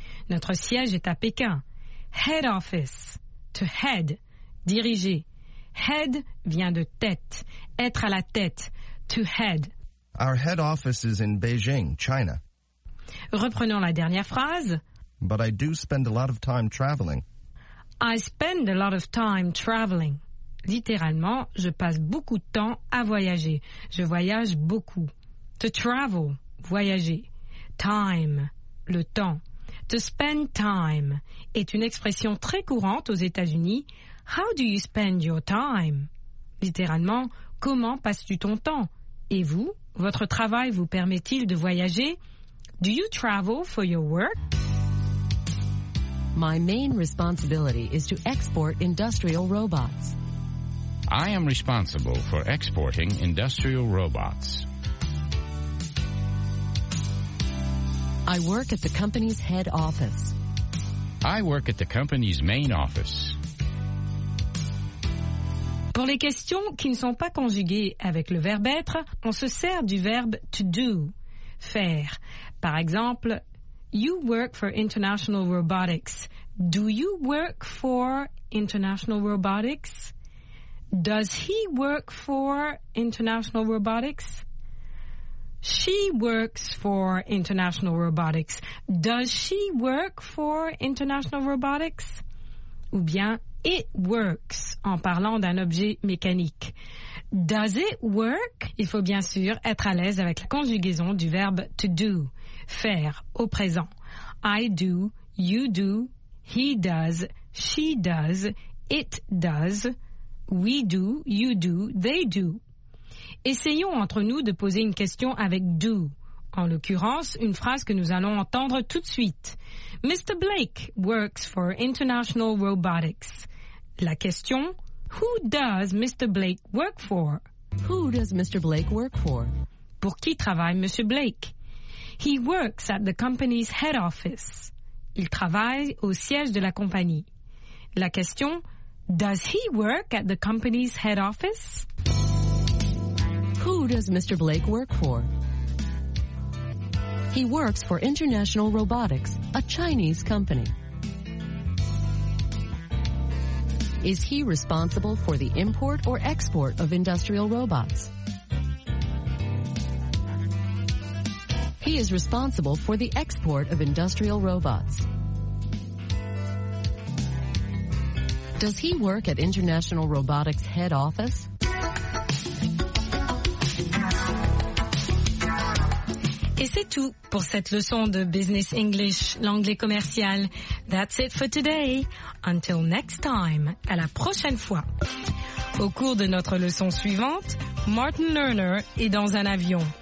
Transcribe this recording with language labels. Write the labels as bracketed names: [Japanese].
[French] Notre siège est à Pékin. [English] Head office. To head. [French] Diriger. Head vient de tête. Être à la tête. To head. [English] Our head office is in Beijing, China. [French] Reprenons la dernière phrase. [English] But I do spend a lot of time traveling. I spend a lot of time traveling. [French] Littéralement, je passe beaucoup de temps à voyager. Je voyage beaucoup. To travel, voyager. Time, le temps. To spend time est une expression très courante aux États-Unis. [English] How do you spend your time? [French] Littéralement, comment passes-tu ton temps? Et vous, votre travail vous permet-il de voyager? [English] Do you travel for your work? My main responsibility is to export industrial robots. I am responsible for exporting industrial robots. I work at the company's head office. I work at the company's main office. [French] Pour les questions qui ne sont pas conjuguées avec le verbe être, on se sert du verbe to do, faire. Par exemple, [English] you work for International Robotics. Do you work for International Robotics? Does he work for International Robotics? She works for International Robotics. Does she work for International Robotics? [French] Ou bien, [English] it works, [French] en parlant d'un objet mécanique. [English] Does it work? [French] Il faut bien sûr être à l'aise avec la conjugaison du verbe to do, faire, au présent. [English] I do, you do, he does, she does, it does, we do, you do, they do. [French] Essayons entre nous de poser une question avec « do ». En l'occurrence, une phrase que nous allons entendre tout de suite. [English] « Mr. Blake works for International Robotics ». [French] La question [English] « Who does Mr. Blake work for ?»« Who does Mr. Blake work for ?» [French] Pour qui travaille Monsieur Blake ?« [English] He works at the company's head office ». [French] Il travaille au siège de la compagnie. La question [English] « Does he work at the company's head office ?» Who does Mr. Blake work for? He works for International Robotics, a Chinese company. Is he responsible for the import or export of industrial robots? He is responsible for the export of industrial robots. Does he work at International Robotics head office? [French] Et c'est tout pour cette leçon de Business English, l'anglais commercial. [English] That's it for today. Until next time, [French] à la prochaine fois. Au cours de notre leçon suivante, Martin Lerner est dans un avion.